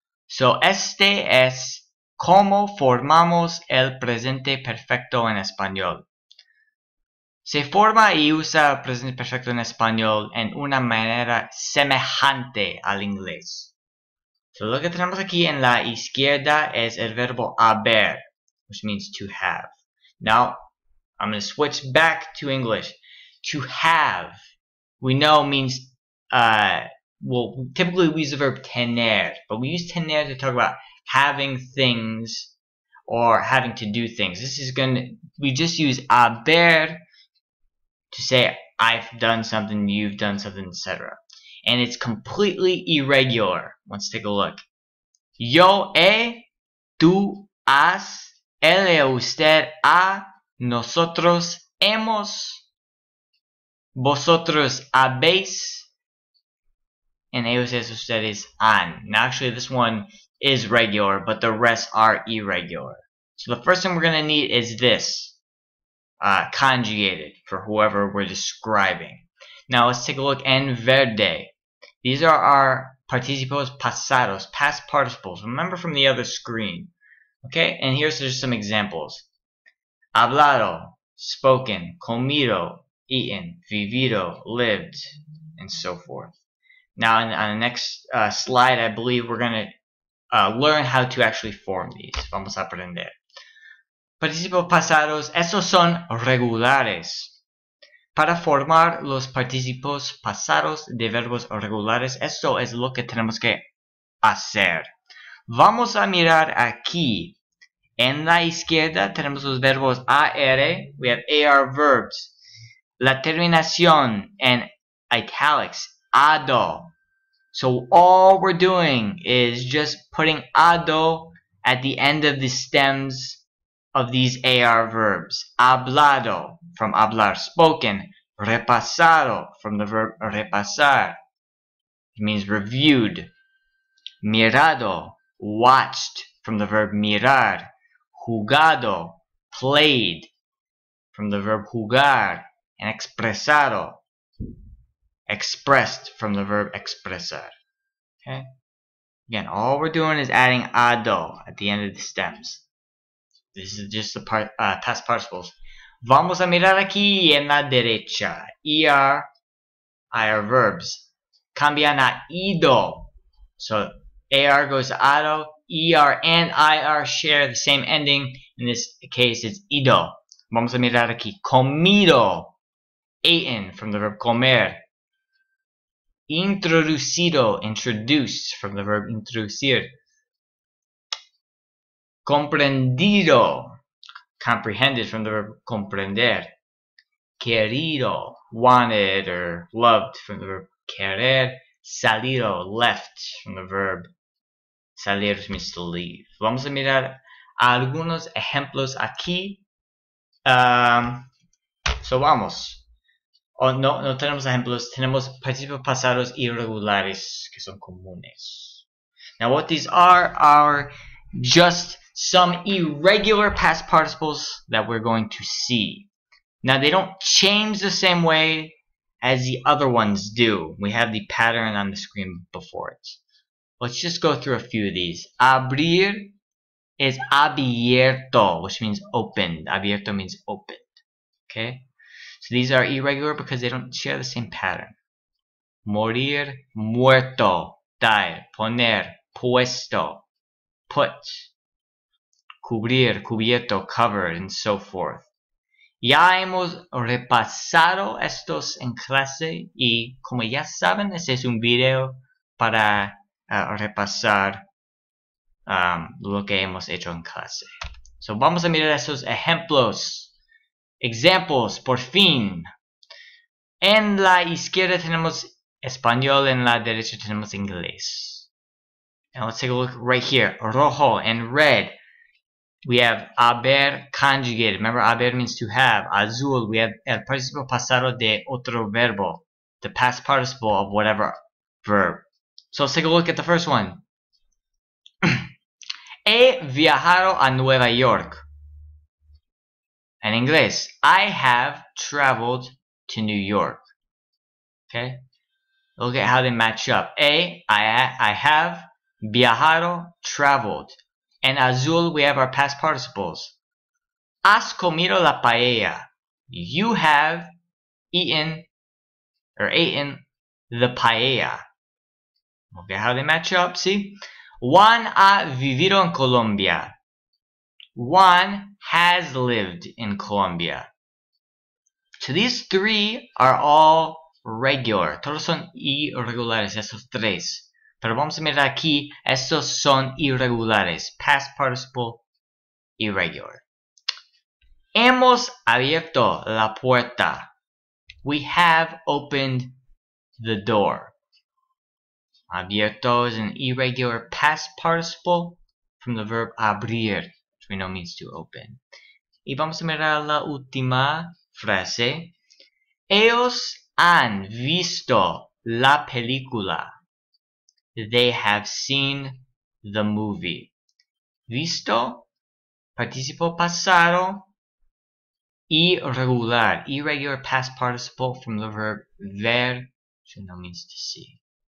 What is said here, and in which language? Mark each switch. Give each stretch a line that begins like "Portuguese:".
Spanish: So este es ¿cómo formamos el presente perfecto en español? Se forma y usa el presente perfecto en español en una manera semejante al inglés. So lo que tenemos aquí en la izquierda es el verbo haber,
English: which means to have. Now, I'm going to switch back to English. To have, we know means, well, typically we use the verb tener, but we use tener to talk about having things or having to do things. This is going to, we just use haber to say I've done something, you've done something, etc. And it's completely irregular. Let's take a look.
Spanish: Yo he, tú has, él, usted, ha, nosotros hemos, vosotros habéis, and ellos, ellos, ustedes, han.
English: Now actually this one is regular, but the rest are irregular. So the first thing we're gonna need is this, conjugated for whoever we're describing. Now let's take a look
Spanish: en verde.
English: These are our
Spanish: participios pasados,
English: past participles. Remember from the other screen. Okay, and here's just some examples. Hablado, spoken, comido, eaten, vivido, lived, and so forth. Now on the next slide, I believe we're gonna learn how to actually form these.
Spanish: Vamos a aprender. Participios pasados, estos son regulares. Para formar los participios pasados de verbos regulares, esto es lo que tenemos que hacer. Vamos a mirar aquí. En la izquierda tenemos los verbos AR.
English: We have AR verbs.
Spanish: La terminación en
English: italics, ado. So all we're doing is just putting ado at the end of the stems of these AR verbs. Hablado, from hablar, spoken. Repasado, from the verb repasar. It means reviewed. Mirado, watched, from the verb mirar. Jugado, played, from the verb jugar. And expresado, expressed, from the verb expresar. Okay? Again, all we're doing is adding ado at the end of the stems. This is just the past participles.
Spanish: Vamos a mirar aquí en la derecha. ER, IR verbs. Cambian a ido.
English: So, AR goes to auto. ER and IR share the same ending. In this case, it's ido.
Spanish: Vamos a mirar aquí.
English: Comido. Aten from the verb comer. Introducido. Introduced from the verb introducir. Comprendido. Comprehended from the verb comprender. Querido. Wanted or loved from the verb querer. Salido. Left from the verb salir, which means to leave.
Spanish: Vamos a mirar algunos ejemplos aquí. So vamos. Oh, no, no tenemos ejemplos. Tenemos participios pasados irregulares que son comunes.
English: Now what these are just some irregular past participles that we're going to see. Now they don't change the same way as the other ones do. We have the pattern on the screen before it. Let's just go through a few of these. Abrir is abierto, which means opened. Abierto means opened. Okay? So these are irregular because they don't share the same pattern.
Spanish: Morir, muerto, dar, poner, puesto, put.
English: Cubrir, cubierto, covered, and so forth.
Spanish: Ya hemos repasado estos en clase y como ya saben, este es un video para repasar lo que hemos hecho en clase. So vamos a mirar esos ejemplos. Examples, por fin. En la izquierda tenemos español, en la derecha tenemos inglés.
English: Now let's take a look right here. Rojo and red. We have haber conjugated. Remember, haber means to have.
Spanish: Azul,
English: we have
Spanish: el participio pasado de otro verbo.
English: The past participle of whatever verb. So let's take a look at the first one.
Spanish: He viajado a Nueva York.
English: In English, I have traveled to New York. Okay? Look at how they match up. He, I have, viajado, traveled. And azul, we have our past participles.
Spanish: Has comido la paella.
English: You have eaten the paella. Okay, how they match up, see?
Spanish: Juan ha vivido en Colombia.
English: Juan has lived in Colombia. So these three are all regular.
Spanish: Todos son irregulares, esos tres. Pero vamos a mirar aquí, estos son irregulares.
English: Past participle, irregular.
Spanish: Hemos abierto la puerta.
English: We have opened the door. Abierto is an irregular past participle from the verb abrir, which we know means to open.
Spanish: Y vamos a mirar la última frase. Ellos han visto la película.
English: They have seen the movie. Visto,
Spanish: participio pasado, irregular,
English: irregular past participle from the verb ver, which no means to see.